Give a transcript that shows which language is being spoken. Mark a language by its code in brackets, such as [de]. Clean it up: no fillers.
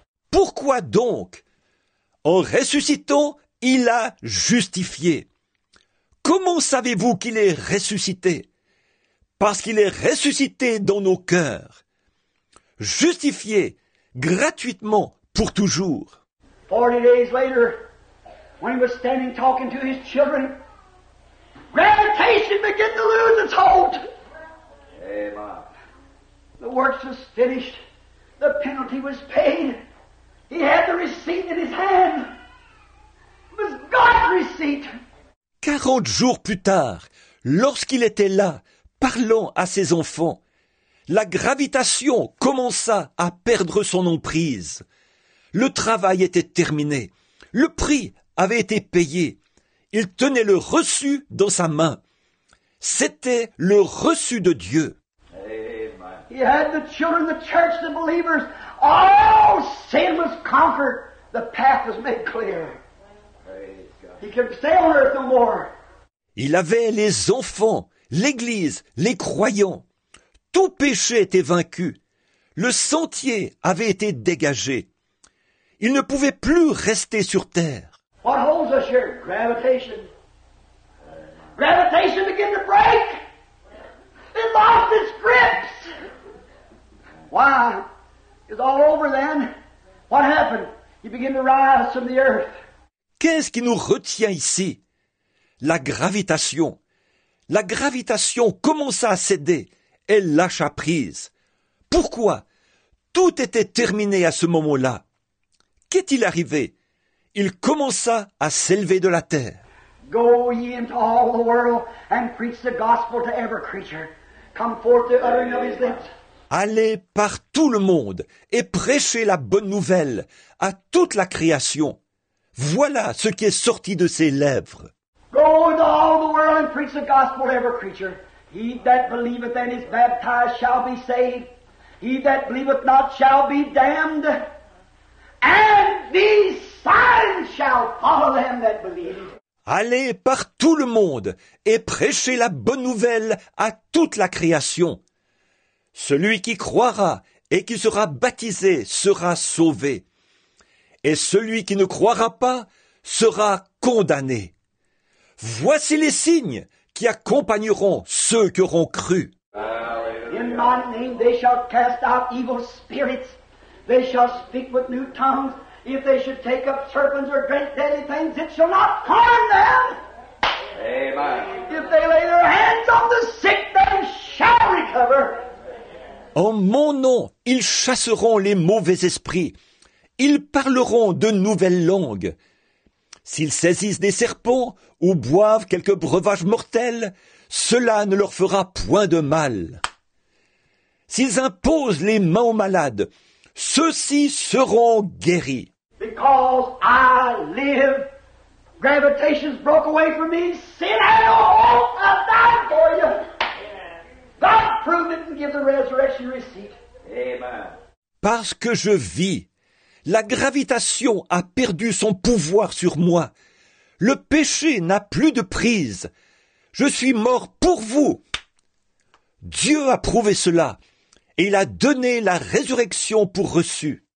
[fr] Pourquoi donc, en ressuscitant, il a justifié? Comment savez-vous qu'il est ressuscité? Parce qu'il est ressuscité dans nos cœurs. Justifié gratuitement pour toujours. [en] 40 days later, when he was standing talking to his children, gravitation began to lose its hold. Amen. The works was finished. The penalty was paid. He had the receipt in his hand. It was God's receipt. [fr] 40 jours plus tard, lorsqu'il était là, parlant à ses enfants, la gravitation commença à perdre son emprise. Le travail était terminé. Le prix avait été payé. Il tenait le reçu dans sa main. C'était le reçu de Dieu. Amen. [en] He had the children, the church, the believers. All sin was conquered. The path was made clear. He could stay on earth no more. [fr] Il avait les enfants, l'église, les croyants. Tout péché était vaincu. Le sentier avait été dégagé. Il ne pouvait plus rester sur terre. [en] What holds us here? Gravitation. Gravitation began to break. It lost its grips. Why? It's all over then. What happened? He began to rise from the earth. [fr] Qu'est-ce qui nous retient ici? La gravitation. La gravitation commença à céder. Elle lâcha prise. Pourquoi? Tout était terminé à ce moment-là. Qu'est-il arrivé? Il commença à s'élever de la terre. [en] Go ye into all the world and preach the gospel to every creature. Come forth the uttering of his lips. [fr] Allez par tout le monde et prêchez la bonne nouvelle à toute la création. Voilà ce qui est sorti de ses lèvres. [en] Go into all the world and preach the gospel to every creature. He that believeth and is baptized shall be saved. He that believeth not shall be damned. And these signs shall follow them that believe. [fr] Allez par tout le monde et prêchez la bonne nouvelle à toute la création. Celui qui croira et qui sera baptisé sera sauvé. Et celui qui ne croira pas sera condamné. Voici les signes qui accompagneront ceux qui auront cru. [en] In my name they shall cast out evil spirits. They shall speak with new tongues. If they should take up serpents or drink deadly things, it shall not harm them. Amen. If they lay their hands on the sick, they shall recover. [fr] En mon nom, ils chasseront les mauvais esprits. Ils parleront de nouvelles langues. S'ils saisissent des serpents ou boivent quelques breuvages mortels, cela ne leur fera point de mal. S'ils imposent les mains aux malades, ceux-ci seront guéris. [en] Because I live, gravitation's broke away from me, sin had a hold, I died for you. God proved it and give the resurrection receipt. Amen. [fr] parce que je vis. La gravitation a perdu son pouvoir sur moi. Le péché n'a plus de prise. Je suis mort pour vous. Dieu a prouvé cela et il a donné la résurrection pour reçu.